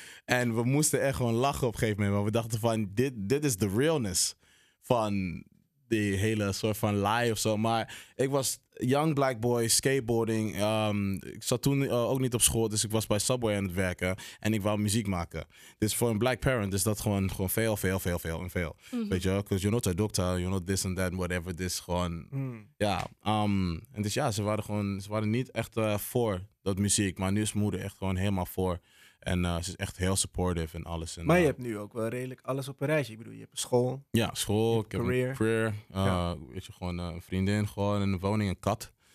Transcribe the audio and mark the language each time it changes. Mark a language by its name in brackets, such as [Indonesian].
[Dutch] En we moesten echt gewoon lachen op een gegeven moment. Want we dachten van, dit is de realness van die hele soort van lie of zo. Maar ik was [English] young black boy, skateboarding. [Dutch] Ik zat toen ook niet op school, dus ik was bij Subway aan het werken. En ik wou muziek maken. Dus voor een black parent is dat gewoon veel, veel, veel, veel en veel. Weet je, [English] because you're not a doctor, you're not this and that, whatever. [Dutch] This gewoon, ja. En dus ja, ze waren niet echt voor dat muziek. Maar nu is moeder echt gewoon helemaal voor. En ze is echt heel supportive en alles. En, maar je hebt nu ook wel redelijk alles op een reisje. Ik bedoel, je hebt een school. Ja, school. Ik heb een career. Weet je, gewoon een vriendin. Gewoon een woning, een kat.